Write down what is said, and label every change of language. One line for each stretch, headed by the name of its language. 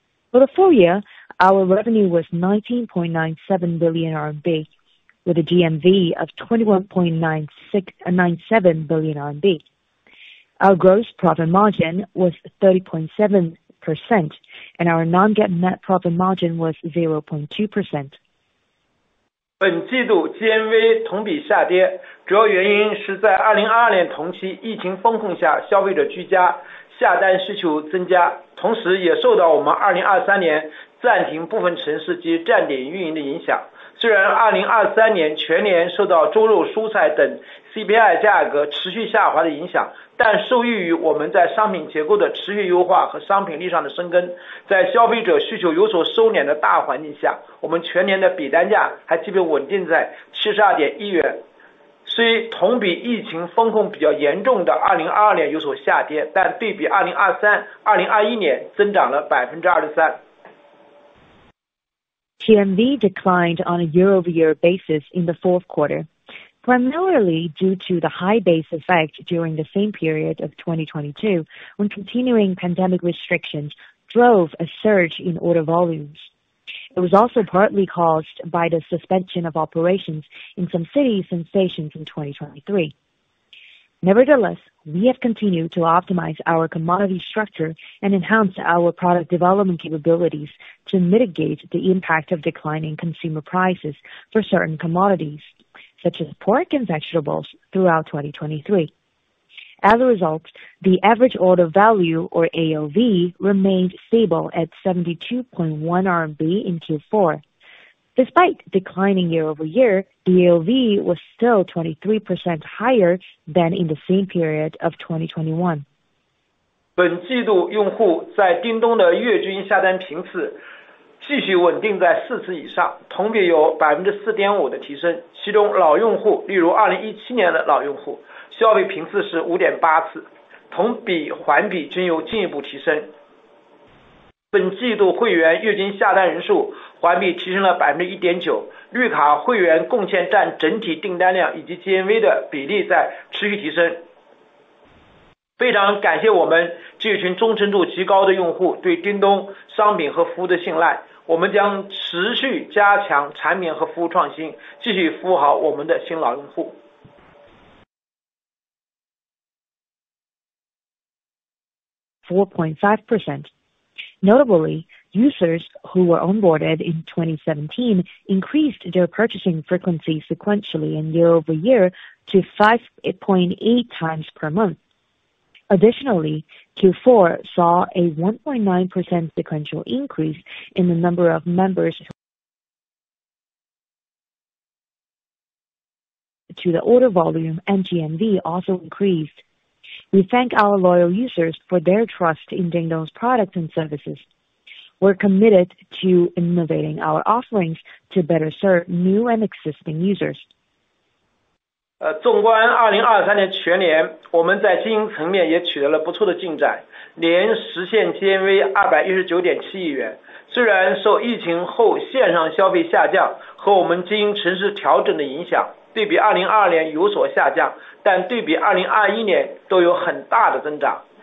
English: For the full year, our revenue was 19.97 billion RMB with a GMV of 21.97 billion RMB. Our gross profit margin was 30.7%, and our non-GAAP net profit margin was 0.2%.
Chinese: 本季度 GMV 同比下 跌， 主要原因是在2022年同期疫情风控下消费者居 家， 下单需求增 加， 同时也受到我们2023年暂停部分城市及站点运营的影响。虽然2023年全年受到猪肉、蔬菜等 CPI 价格持续下滑的影 响， 但受益于我们在商品结构的持续优化和商品力上的深 耕， 在消费者需求有所收敛的大环境 下， 我们全年的比单价还基本稳定在72.1元。虽同比疫情风控比较严重的2022年有所下 跌， 但对比2023、2021年增长了 23%。
English: GMV declined on a year-over-year basis in the fourth quarter, primarily due to the high base effect during the same period of 2022, when continuing pandemic restrictions drove a surge in order volumes. It was also partly caused by the suspension of operations in some cities and stations in 2023. Nevertheless, we have continued to optimize our commodity structure and enhance our product development capabilities to mitigate the impact of declining consumer prices for certain commodities, such as pork and vegetables, throughout 2023. As a result, the average order value, or AOV, remained stable at 72.1 RMB in Q4. Despite declining year-over-year, the AOV was still 23% higher than in the same period of 2021.
Chinese: 本季度用户在叮咚的月均下单频次继续稳定在四次以上，同比有 4.5% 的提升。其中老用户，例如2017年的老用户，消费频次是 5.8 次，同比环比均有进一步提升。本季度会员月均下单人数环比提升了 1.9%， 绿卡会员贡献占整体订单量以及 GMV 的比例在持续提升。非常感谢我们这群忠诚度极高的用户对叮咚商品和服务的信赖，我们将持续加强产品和服务创新，继续服务好我们的新老用户。
English: 4.5%Notably, users who were onboarded in 2017 increased their purchasing frequency sequentially and year-over-year to 5.8 times per month. Additionally, Q4 saw a 1.9% sequential increase in the number of members to the order volume and GMV also increased. We thank our loyal users for their trust in Dingdong's products and services. We're committed to innovating our offerings to better serve new and existing users.
Chinese: 纵观2023年全年，我们在经营层面也取得了不错的进展，年实现 GMV 219.7 亿元。虽然受疫情后线上消费下降和我们经营城市调整的影响，对比2022年有所下降，但对比2021年都有很大的增长。